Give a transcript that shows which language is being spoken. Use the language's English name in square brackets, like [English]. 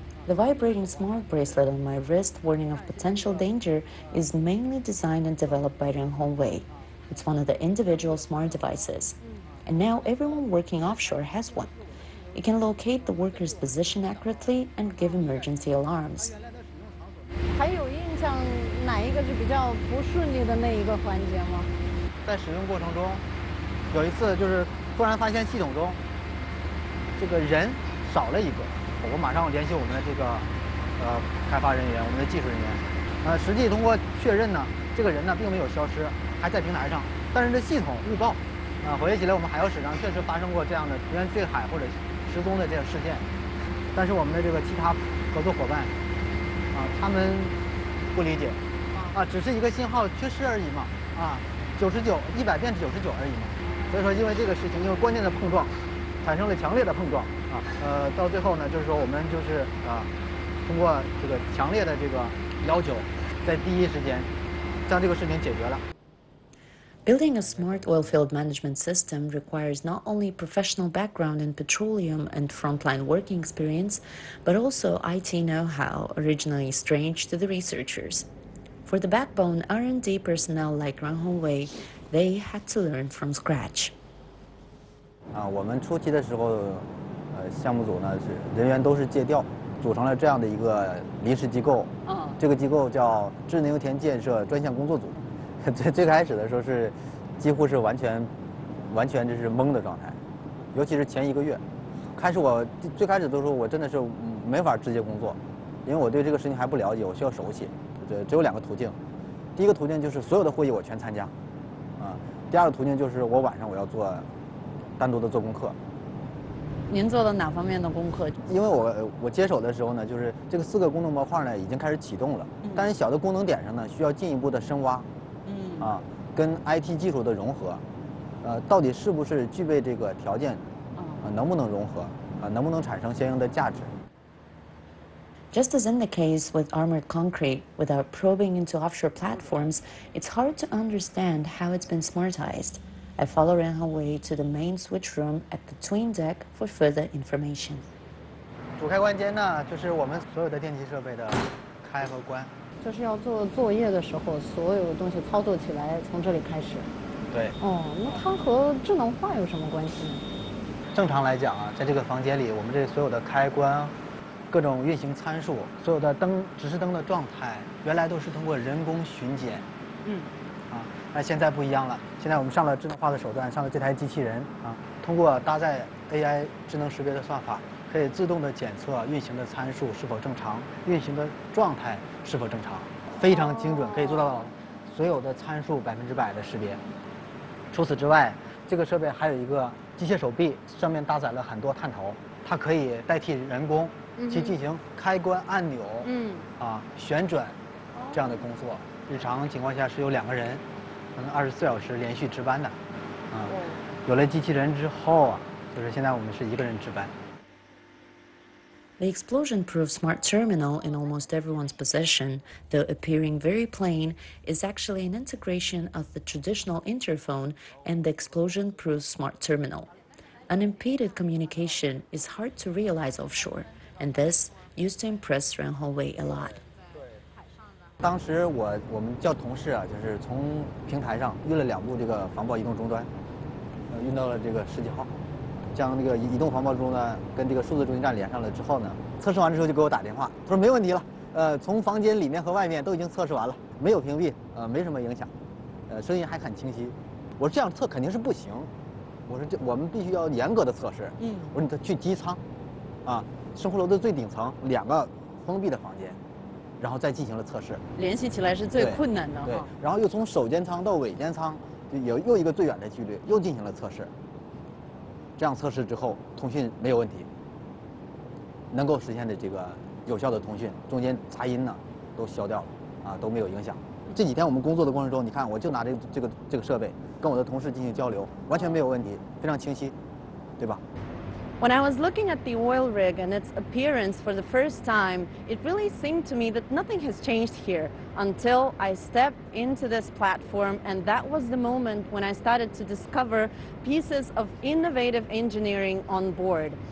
[English] The vibrating smart bracelet on my wrist, warning of potential danger, is mainly designed and developed by Ren Hongwei. It's one of the individual smart devices, and now everyone working offshore has one. It can locate the worker's position accurately and give emergency alarms. [Chinese] 还有印象哪一个是比较不顺利的那一个环节吗？在使用过程中，有一次就是突然发现系统中这个人少了一个，我马上联系我们的这个开发人员，我们的技术人员。实际通过确认呢，这个人呢并没有消失，还在平台上，但是这系统误报。回忆起来，我们海妖史上确实发生过这样的人员坠海或者。失踪的这个事件，但是我们的这个其他合作伙伴他们不理解只是一个信号缺失而已嘛99/100而已嘛，所以说因为这个事情，因为关键的碰撞产生了强烈的碰撞到最后呢，就是说我们就是通过这个强烈的这个要求，在第一时间将这个事情解决了。 [English] Building a smart oil field management system requires not only professional background in petroleum and frontline working experience, but also IT know-how, originally strange to the researchers. For the backbone R&D personnel like Ren Hongwei, they had to learn from scratch. [Chinese] 我们初期的时候，项目组呢是人员都是借调，组成了这样的一个临时机构。这个机构叫智能油田建设专项工作组。最开始的时候是几乎是完全就是懵的状态，尤其是前一个月开始，我最开始的时候我真的是没法直接工作，因为我对这个事情还不了解，我需要熟悉。对，只有两个途径，第一个途径就是所有的会议我全参加第二个途径就是我晚上我要做单独的做功课。您做了哪方面的功课？因为我接手的时候呢，就是这个四个功能模块呢已经开始启动了，但是小的功能点上呢需要进一步的深挖，跟 IT 技术的融合，到底是不是具备这个条件，能不能融合，能不能产生相应的价值。 [English] Just as in the case with armored concrete, without probing into offshore platforms, it's hard to understand how it's been smartized. I follow Renhao Wei to the main switch room at the twin deck for further information. [Chinese] 主开关间呢，就是我们所有的电气设备的开和关。就是要做作业的时候，所有东西操作起来从这里开始。对。那它和智能化有什么关系呢？正常来讲啊，在这个房间里，我们这所有的开关，各种运行参数，所有的灯指示灯的状态，原来都是通过人工巡检。那现在不一样了，现在我们上了智能化的手段，上了这台机器人啊，通过搭载 AI 智能识别的算法，可以自动的检测运行的参数是否正常，运行的状态是否正常，非常精准，可以做到所有的参数100%的识别。除此之外，这个设备还有一个机械手臂，上面搭载了很多探头，它可以代替人工去进行开关按钮，旋转这样的工作。日常情况下是有两个人，可能24小时连续值班的，有了机器人之后啊，就是现在我们是一个人值班。 [English] The explosion-proof smart terminal in almost everyone's possession, though appearing very plain, is actually an integration of the traditional interphone and the explosion-proof smart terminal. Unimpeded communication is hard to realize offshore, and this used to impress Renhao Wei a lot. [Chinese] 当时我们叫同事啊，就是从平台上运了两部这个防爆移动终端，运到了这个十几号。将那个移动防爆中呢跟这个数字中心站连上了之后呢，测试完之后就给我打电话，他说没问题了，从房间里面和外面都已经测试完了，没有屏蔽，没什么影响，声音还很清晰。我说这样测肯定是不行，我说这我们必须要严格的测试。我说你去机舱啊，生活楼的最顶层，两个封闭的房间，然后再进行了测试。联系起来是最困难的。对，然后又从首间舱到尾间舱就有又一个最远的距离，又进行了测试，这样测试之后通讯没有问题，能够实现的这个有效的通讯，中间杂音呢都消掉了，都没有影响。这几天我们工作的过程中，你看我就拿这个设备跟我的同事进行交流，完全没有问题，非常清晰，对吧？ [English] When I was looking at the oil rig and its appearance for the first time, it really seemed to me that nothing has changed here until I stepped into this platform, and that was the moment when I started to discover pieces of innovative engineering on board.